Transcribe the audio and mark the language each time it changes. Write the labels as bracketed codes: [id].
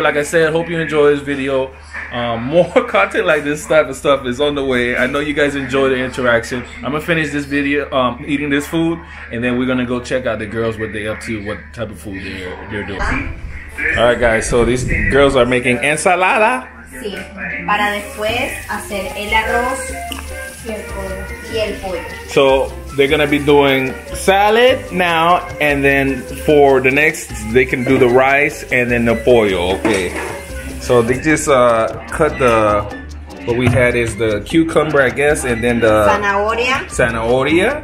[en] Like I said, hope you enjoy this video. More content like this type of stuff is on the way. I know you guys enjoy the interaction. I'm gonna finish this video, eating this food, and then we're gonna go check out the girls, what they up to, what type of food they're doing. All right, guys. So these girls are making ensalada. [es] Sí. Para después hacer el arroz y el pollo. So they're gonna be doing salad now, and then for the next, they can do the rice and then the pollo, okay. [en] So they just cut the, what we had is the cucumber, I guess, and then the [es] zanahoria,